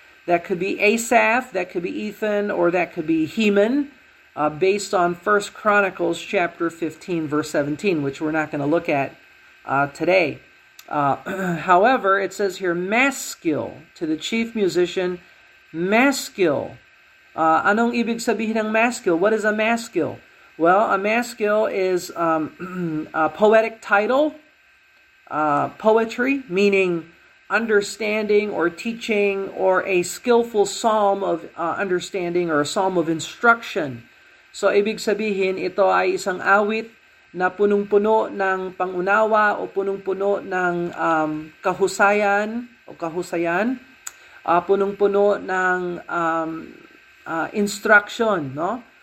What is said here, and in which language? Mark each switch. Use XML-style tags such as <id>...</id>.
<en>That could be Asaph, that could be Ethan, or that could be Heman, based on 1 Chronicles chapter 15, verse 17, which we're not going to look at today. however, it says here, Maskil, to the chief musician, Maskil.</en> <tl>Anong ibig sabihin ng Maskil?</tl> <en>What is a Maskil? Well, a Maskil is a poetic title, poetry, meaning understanding or teaching or a skillful psalm of understanding or a psalm of instruction.</en> <tl>So, ibig sabihin, ito ay isang awit na punong-puno ng pangunawa o punong-puno ng kahusayan o kahusayan, punong-puno ng instruction, no?</tl>